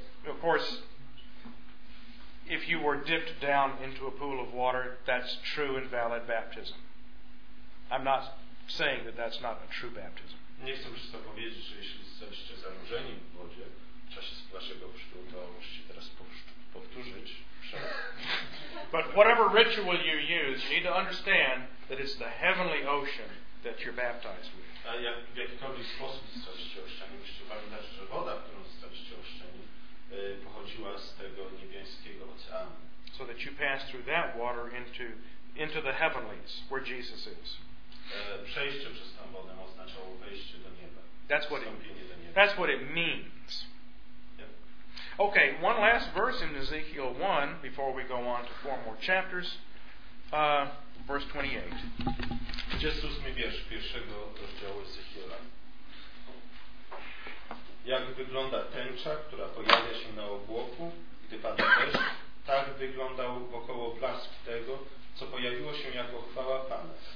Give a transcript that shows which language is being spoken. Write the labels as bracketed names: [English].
[English] Of course, if you were dipped down into a pool of water, that's true and valid baptism. I'm not saying that that's not a true baptism. [Polish] Nie chcę przecież powiedzieć, że jeśli jesteście zanurzeni w wodzie w czasie waszego chrztu, to musicie teraz powtórzyć. [English] But whatever ritual you use, you need to understand that it's the heavenly ocean that you're baptized with. [Polish] A jak w jakikolwiek sposób zostaliście ochrzczeni, musicie pamiętać, że woda, którą zostaliście ochrzczeni, pochodziła z tego niebiańskiego oceanu. [English] So that you pass through that water into the heavenlies, where Jesus is. [Polish] Przejście przez tą wodę oznaczało wejście do nieba. [English] That's what it means. Yep. Okay, one last verse in Ezekiel 1 before we go on to four more chapters. Verse 28. [Polish] 28 wiersz pierwszego rozdziału Ezechiela. Jak wygląda tęcza, która pojawia się na obłoku, gdy pada deszcz, tak wyglądał wokoło blask tego, co pojawiło się jako chwała Pana.